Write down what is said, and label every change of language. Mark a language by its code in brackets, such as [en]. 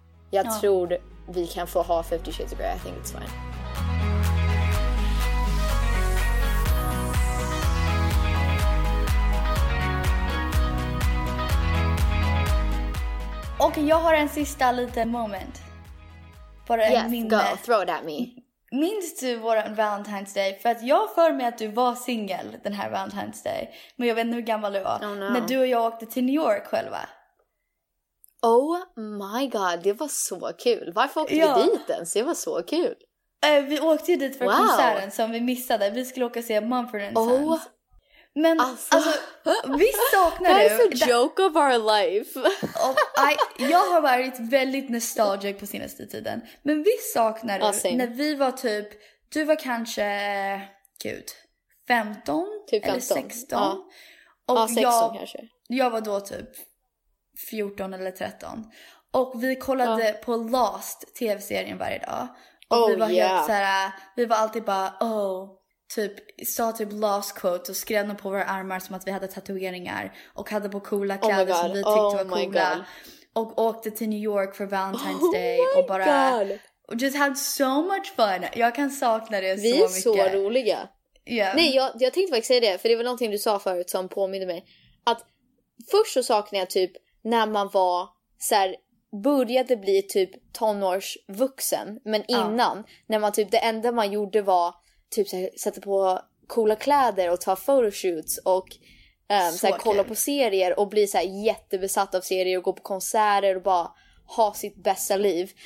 [sv] Jag tror vi kan få ha 50 Shades of Grey, [en] I think it's fine. [sv] Och jag har en sista liten moment. Bara [en] yes, minne. Go, throw it at me. [sv] Minns du vår Valentine's Day? För att jag för mig att du var singel den här Valentine's Day. Men jag vet inte hur gammal du var. [en] Oh, no. [sv] När du och jag åkte till New York själva. [en] Oh my god, [sv] det var så kul. Varför åkte vi dit ens? Det var så kul. Vi åkte ju dit för konserten som vi missade. Vi skulle åka och se Mumford & Sons. Oh. Men alltså, vi saknar det. [en] That's a joke of our life. [sv] Jag har varit väldigt nostalgic på senaste tiden. Men vi saknar det när vi var typ, du var kanske, gud, 15, typ 15. Eller 16. Ja. Och 16 kanske. Jag var då typ 14 eller 13. Och vi kollade på Lost tv-serien varje dag. Och vi var helt såhär, vi var alltid bara, oh... Typ, sa typ last quote och skrev på våra armar som att vi hade tatueringar. Och hade på coola kläder som vi tyckte var coola. God. Och åkte till New York för Valentine's Day. Och bara, och [en] just had so much fun. [sv] Jag kan sakna det vi så mycket. Vi är så roliga. [en] Yeah. [sv] Nej, jag tänkte faktiskt säga det, för det var någonting du sa förut som påminner mig. Att först så saknade jag typ när man var så här... Började bli typ tonårsvuxen. Men innan, när man typ, det enda man gjorde var... Typ så här, sätta på coola kläder och ta photoshoots och så här, kolla på serier och bli så här, jättebesatt av serier och gå på konserter och bara ha sitt bästa liv.